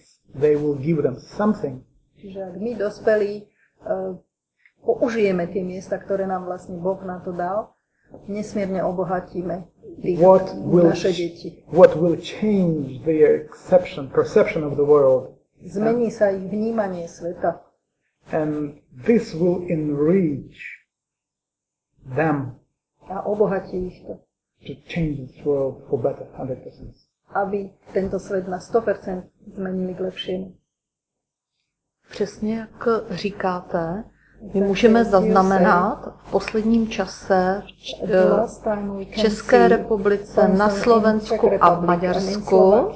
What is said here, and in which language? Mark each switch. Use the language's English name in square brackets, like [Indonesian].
[English] They will give them something. [Slovak] Čiže ak my dospelí použijeme tie miesta, ktoré nám vlastne Boh na to dal, nesmierne obohatíme tých, [English] what will [Slovak] naše deti. [English] What will change their perception of the world? [Slovak] Zmení sa ich vnímanie sveta. [English] And this will enrich them. [Slovak] A obohatí ich to. [English] To change this world for better, 100%. [Slovak] Aby tento svet na 100% zmenili k lepšiemu. [Czech] Přesně jak říkáte, my můžeme zaznamenat v posledním čase v České republice, na Slovensku a v Maďarsku.